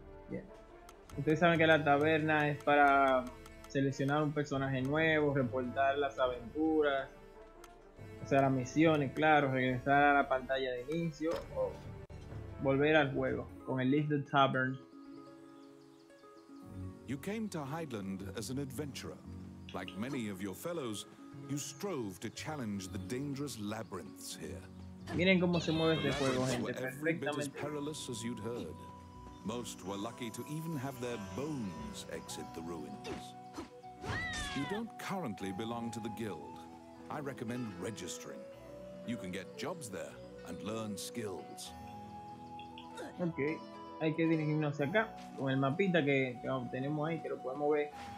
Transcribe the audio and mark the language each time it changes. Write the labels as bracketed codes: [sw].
[es] Yeah. Ustedes saben que la taberna es para seleccionar un personaje nuevo, reportar las aventuras, o sea, las misiones, claro, regresar a la pantalla de inicio o volver al juego con el Leave the Tavern. [en] You came to Highland as an adventurer. Like many of your fellows, you strove to challenge the dangerous labyrinths here. [es] Miren cómo se mueve este juego, gente. Perfectamente. [en] Every bit as perilous as you'd heard. Most were lucky to even have their bones exit the ruins. You don't currently belong to the guild. I recommend registering. You can get jobs there and learn skills. [es] Okay, hay que dirigirnos acá con el mapita que obtenemos ahí, que lo podemos ver.